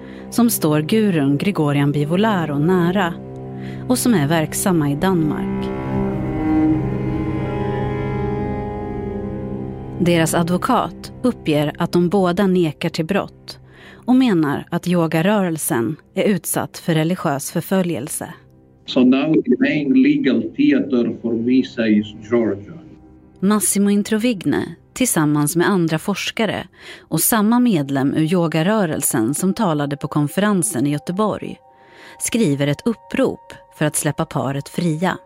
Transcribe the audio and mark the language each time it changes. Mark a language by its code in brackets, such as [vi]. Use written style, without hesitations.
[sv] Som står gurun Gregorian Bivolaro nära. Och som är verksamma i Danmark. Deras advokat uppger att de båda nekar till brott och menar att yogarörelsen är utsatt för religiös förföljelse. [en] So now the main legal theater for MISA is Georgia. [sv] Massimo Introvigne, tillsammans med andra forskare och samma medlem ur yogarörelsen som talade på konferensen i Göteborg, skriver ett upprop för att släppa paret fria.